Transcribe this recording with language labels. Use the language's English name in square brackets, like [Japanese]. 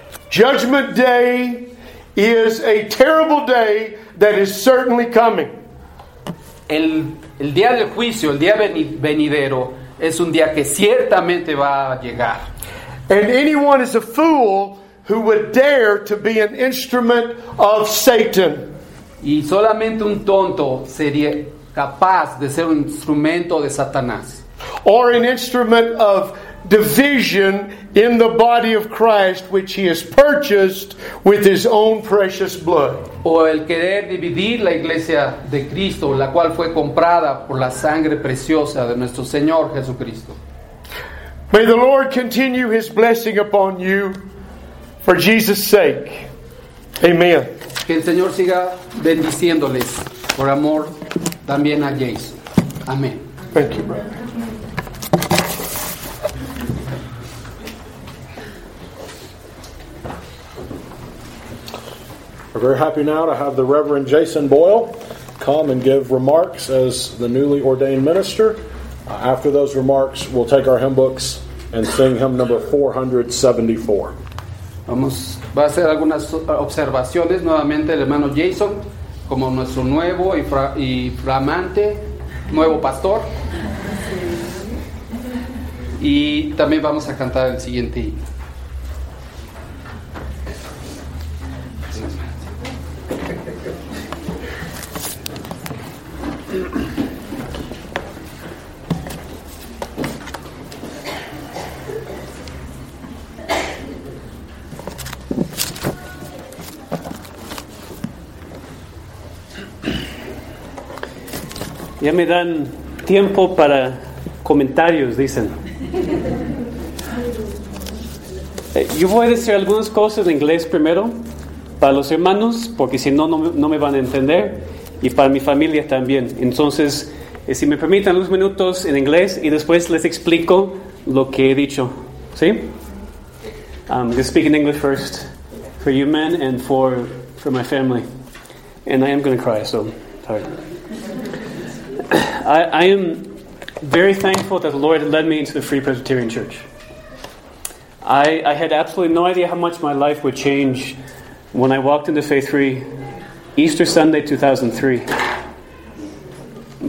[English] Judgment Day is a terrible day that is certainly coming. [Spanish] El día del juicio, el día venidero, es un día que ciertamente va a llegar. [English] And anyone is a fool who would dare to be an instrument of Satan. [Spanish] Y solamente un tonto sería capaz de ser un instrumento de Satanás. [English] Or an instrument of division in the body of Christ, which he has purchased with his own precious blood. [Spanish] O el querer dividir la iglesia de Cristo, la cual fue comprada por la sangre preciosa de nuestro Señor Jesucristo. [English] May the Lord continue his blessing upon you for Jesus' sake. Amen. [Spanish] Que el Señor siga bendiciéndoles por amor también a Jesús. Amén. [English] Thank you, brother. We're very happy now to have the Reverend Jason Boyle come and give remarks as the newly ordained minister. After those remarks, we'll take our hymn books and sing hymn number 474. [Spanish] Va a hacer algunas observaciones nuevamente el hermano Jason como nuestro nuevo y flamante nuevo pastor. Y también vamos a cantar el siguiente hymn. Ya me dan tiempo para comentarios, dicen. Yo voy a decir algunas cosas en inglés primero, para los hermanos, porque si no, no me van a entender, y para mi familia también. Entonces, si me permiten unos minutos en inglés, y después les explico lo que he dicho. ¿Sí? [English] Just speak in English first, for you men and for my family. And I am going to cry, so sorry. I am very thankful that the Lord led me into the Free Presbyterian Church. I had absolutely no idea how much my life would change when I walked into Faith 3, Easter Sunday 2003.